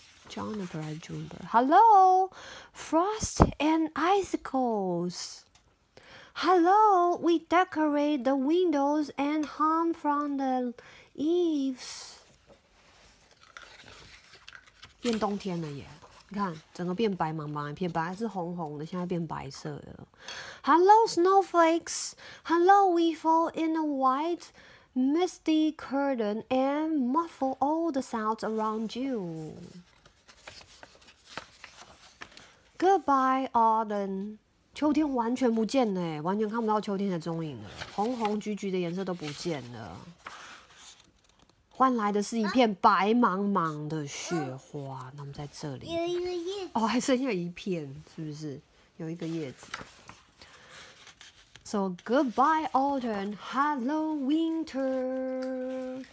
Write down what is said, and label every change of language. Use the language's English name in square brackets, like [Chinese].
[English] Juniper and Juniper. Hello, frost and icicles. Hello, we decorate the windows and hung from the eaves. [Chinese] 变冬天了耶！你看，整个变白茫茫一片，本来是红红的，现在变白色了。 [English] Hello, snowflakes. Hello, we fall in a white, misty curtain and muffle all the sounds around you. Goodbye, autumn. [Chinese] 秋天完全不见了，完全看不到秋天的踪影了，红红橘橘的颜色都不见了，换来的是一片白茫茫的雪花。那么在这里有一个叶子，还剩下一片，是不是有一个叶子 ？ [English] So goodbye autumn, hello winter。